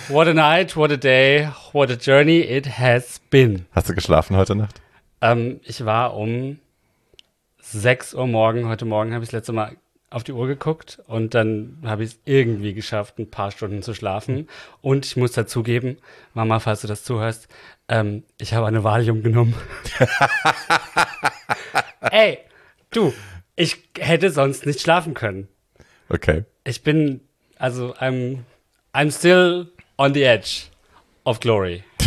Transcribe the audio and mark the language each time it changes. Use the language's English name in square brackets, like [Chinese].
[English] What a night, what a day, what a journey it has been. [German] Hast du geschlafen heute Nacht? Ich war um 6 Uhr morgen. Heute Morgen habe ich das letzte Mal auf die Uhr geguckt und dann habe ich es irgendwie geschafft, ein paar Stunden zu schlafen. Und ich muss dazugeben, Mama, falls du das zuhörst, ich habe eine Valium genommen. Ey, du, ich hätte sonst nicht schlafen können. Okay. Ich bin, also [English] I'm still on the edge of glory.